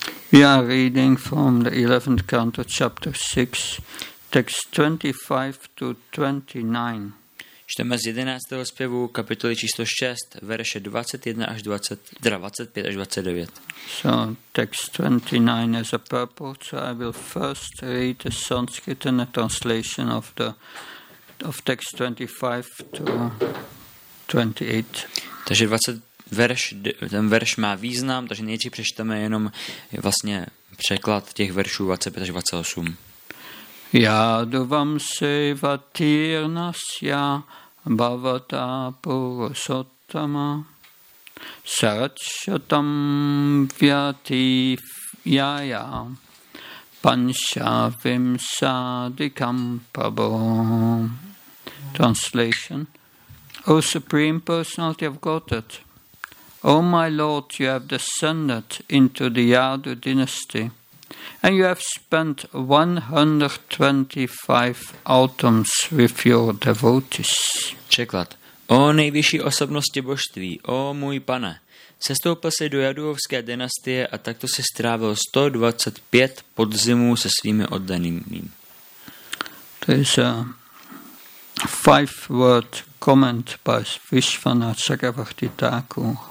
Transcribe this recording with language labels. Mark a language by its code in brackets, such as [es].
[en] We are reading from the 11th canto, chapter 6, text 25 to 29. [cs] Čteme z 11. zpěvu kapitoly číslo 6, verše 21 až 20, teda 25 až 29. [en] So text 29 is a purport, so I will first read the Sanskrit and a translation of the of text 25 to 28. [cs] Takže 20 verš, ten verš má význam, takže nejdřív přečteme jenom vlastně překlad těch veršů 25 až 28. [sa] Yaduvam seva tirnasya bhavata purusottama saracchatam vyati yaya panchavim sadikam prabho. [en] Translation. O Supreme Personality of Godhead, O my Lord, you have descended into the Yadu dynasty, and you have spent 125 autumns with your devotees. [cs] Překlad. O nejvyšší osobnosti božství, o můj pane, sestoupil jsi do Yaduovské dynastie a takto jsi strávil 125 podzimů se svými oddanými. To je [en] a five-word comment by Vishvana Chakravarti Thakur.